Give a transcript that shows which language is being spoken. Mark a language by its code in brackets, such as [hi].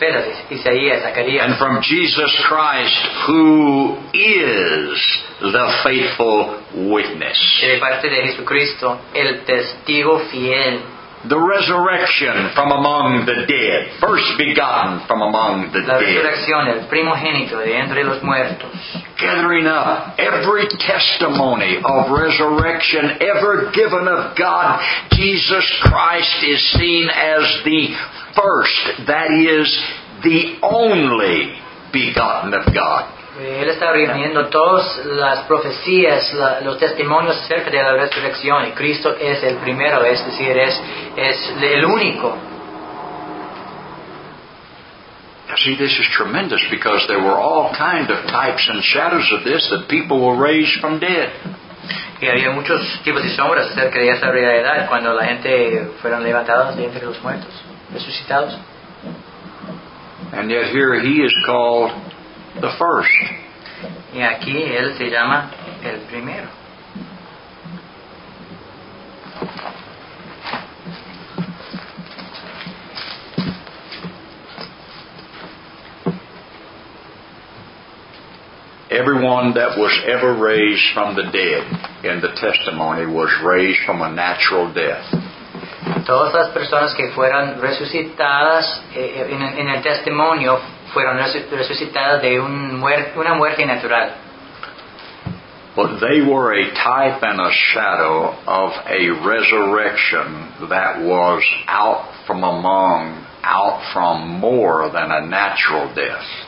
[en] And from Jesus Christ, who is the faithful witness. [es] De parte de Jesucristo, el testigo fiel. [en] The resurrection from among the dead, first begotten from among the dead. [es] La resurrección, el primogénito de entre los muertos. [en] Gathering up every testimony of resurrection ever given of God, Jesus Christ is seen as the first, that is, the only begotten of God. [es] Él está reuniendo todas las profecías, los testimonios acerca de la resurrección, y Cristo es el primero, es decir, es el único. [en] See, this is tremendous because there were all kind of types and shadows of this that people were raised from dead. [es] Y había muchos tipos de sombras acerca de esa realidad cuando la gente fueron levantados de entre los muertos, resucitados. [en] And yet here he is called the first. [es] Y aquí él se llama el primero. [en] Everyone that was ever raised from the dead in the testimony was raised from a natural death. [es] Todas las personas que fueron resucitadas en el testimonio fueron resucitadas de una muerte natural. [en] But they were a type and a shadow of a resurrection that was out from among, out from more than a natural death.